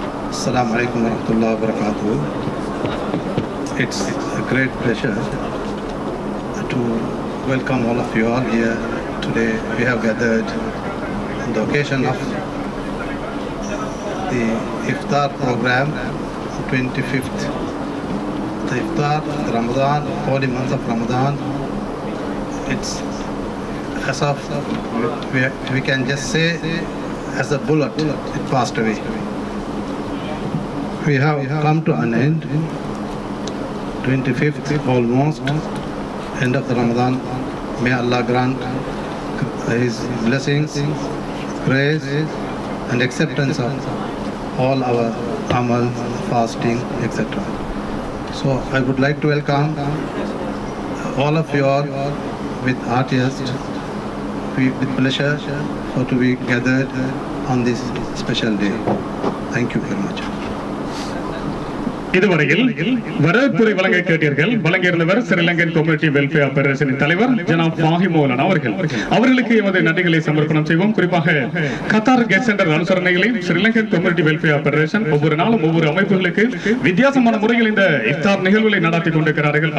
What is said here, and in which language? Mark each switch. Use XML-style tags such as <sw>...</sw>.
<ar>அஸ்ஸலாமு அலைக்கும் வரஹ்மத்துல்லாஹி வபரகாத்துஹு.</ar> <en>It's a great pleasure to welcome all of you all here today. We have gathered on the occasion of the இஃப்தார் programme 25th. The Iftar, Ramadan, holy month of Ramadan, it's as of, we can just say, as a bullet, it passed away. We have come to an end, 25th almost, end of the Ramadan. May Allah grant His blessings, grace and acceptance of all our amal, fasting, etc. So I would like to welcome all of you all with heartiest, with pleasure for to be gathered on this special day. Thank you very much.</en> <ta>இதுவரையில் வரவேற்புரை வழங்க கேட்டீர்கள். வழங்கியிருந்தவர் Sri Lankan community welfare ஆபரேஷனின் தலைவர் ஜனாப் ஃபாஹி மௌலானா அவர்கள். அவர்களுக்கு எமது நன்றிகளை சமர்ப்பணம் செய்வோம். குறிப்பாக Qatar guest centre அனுசரணைகளையும் Sri Lankan community welfare operation ஒவ்வொரு நாளும் ஒவ்வொரு அமைப்புகளுக்கு வித்தியாசமான முறையில் இந்த இஃப்தார் நிகழ்வுகளை நடத்தி கொண்டிருக்கிறார்கள்.</ta>